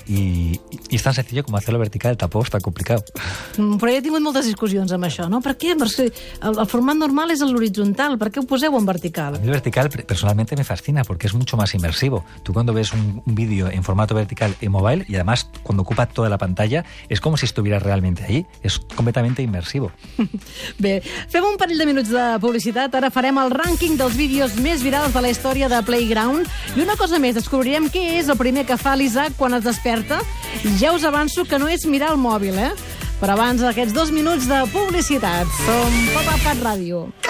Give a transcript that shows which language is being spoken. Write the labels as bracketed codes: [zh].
[es] Y es tan sencillo como hacerlo vertical, tampoco está complicado. [ca] Però ja he tingut moltes discussions amb això, no? Per què? Perquè el format normal és l'horitzontal. Per què ho poseu en vertical? [es] A mi el vertical personalmente me fascina porque es mucho más inmersivo. Tú cuando ves un vídeo en formato vertical en mobile y además cuando ocupa toda la pantalla, es como si estuvieras realmente ahí. Es completamente inmersivo. [ca] Bé, fem un parell de minuts de publicitat. Ara farem el rànquing dels vídeos més virals de la història de Playground. I una cosa més, descobrirem què és el primer que fa l'Isaac quan es desperta. Ja us avanço que no és mirar el mòbil, eh? Però abans d'aquests dos minuts de publicitat, som Pop-Up Cat Ràdio.